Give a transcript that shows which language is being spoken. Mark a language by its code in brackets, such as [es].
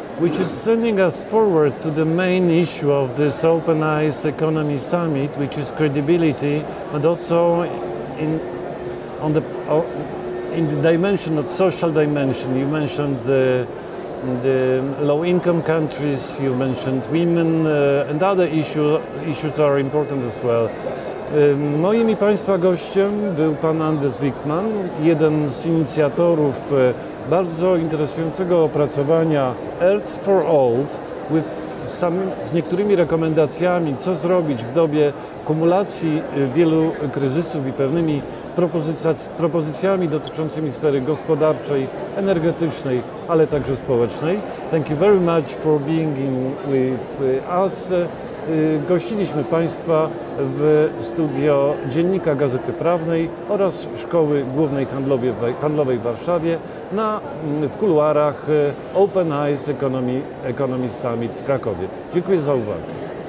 [en] Which is sending us forward to the main issue of this Open Eyes Economy Summit, which is credibility, but also in the dimension of social dimension. You mentioned the low-income countries, you mentioned women, and other issues are important as well. [pl] Moim i Państwa gościem był pan Anders Wijkman, jeden z inicjatorów bardzo interesującego opracowania Earth for Old, z niektórymi rekomendacjami, co zrobić w dobie kumulacji wielu kryzysów i pewnymi propozycjami dotyczącymi sfery gospodarczej, energetycznej, ale także społecznej. [en] Thank you very much for being with us. [pl] Gościliśmy Państwa w studio Dziennika Gazety Prawnej oraz Szkoły Głównej Handlowej w Warszawie w kuluarach Open Eyes Economy Summit w Krakowie. Dziękuję za uwagę.